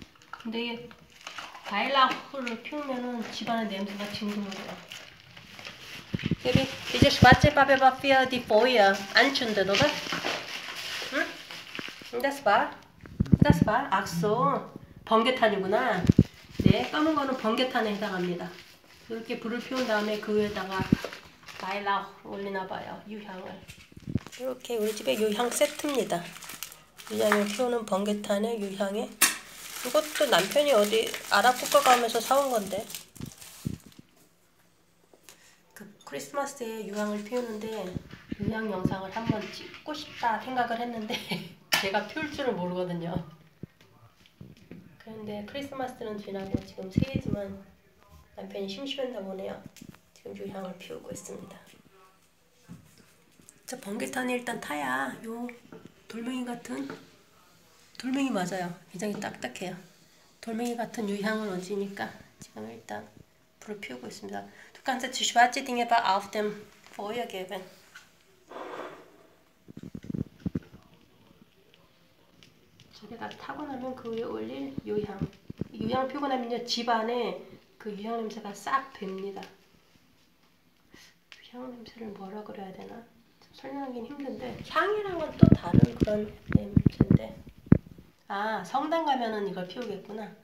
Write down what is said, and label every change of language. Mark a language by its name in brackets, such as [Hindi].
[Korean] 근데 이게 바일라후를 피우면은 집안의 냄새가 진동해요. 여기 이제 [German] schwarze Farbe war für die Feuer anzünden, oder? 응? Das war? Das war? Ach so. [Korean] 번개탄이구나. 네, 검은 거는 번개탄에 해당합니다. 이렇게 불을 피운 다음에 그 위에다가 바일라후 올리나 봐요. 유향을. 이렇게 우리 집에 유향 세트입니다. 유향을 피우는 번개탄의 유향에 이것도 남편이 어디 아랍 국가 가면서 사온 건데 그 크리스마스에 유향을 피우는데 유향 영상을 한번 찍고 싶다 생각을 했는데 제가 피울 줄을 모르거든요. 그런데 크리스마스는 지나고 지금 새해지만 남편이 심심했나 보네요. 지금 유향을 피우고 있습니다. 저 번개탄이 일단 타야 요 돌멩이 같은 돌멩이 맞아요. 굉장히 딱딱해요. 돌멩이 같은 유향을 얹으니까 지금 일단 불을 피우고 있습니다. [German] Du kannst die schwarze Dinge bei auf dem Feuer geben. [Korean] 저기다 타고 나면 그 위에 올릴 유향. 유향 피우고 나면요 집 안에 그 유향 냄새가 싹 빕니다. 유향 냄새를 뭐라 그래야 되나? 설명하기는 힘든데 향이랑은 또 다른 그런 냄새인데 아 성당 가면은 이걸 피우겠구나.